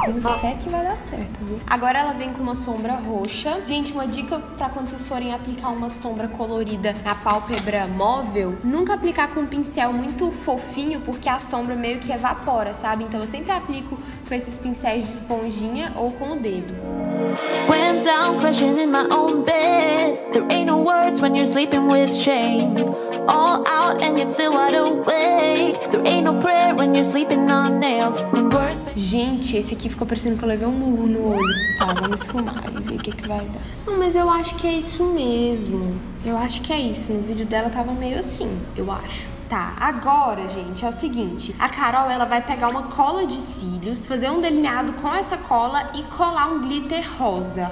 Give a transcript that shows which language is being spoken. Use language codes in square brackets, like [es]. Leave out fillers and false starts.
[pt] Tenho fé que vai dar certo, viu? Agora ela vem com uma sombra roxa. Gente, uma dica pra quando vocês forem aplicar uma sombra colorida na pálpebra móvel, nunca aplicar com um pincel muito fofinho, porque a sombra meio que evapora, sabe? Então eu sempre aplico com esses pincéis de esponjinha ou com o dedo. [en] Went down crashing in my own bed. There ain't no words when you're sleeping with shame. All out and yet still wide awake. There ain't no prayer when you're sleeping on nails. When words... [pt] Gente, esse aqui ficou parecendo que eu levei um murro no olho. Tá, vamos esfumar e ver o que que vai dar. Não, mas eu acho que é isso mesmo. Eu acho que é isso. No vídeo dela tava meio assim, eu acho. Tá, agora, gente, é o seguinte. A Carol, ela vai pegar uma cola de cílios, fazer um delineado com essa cola e colar um glitter rosa.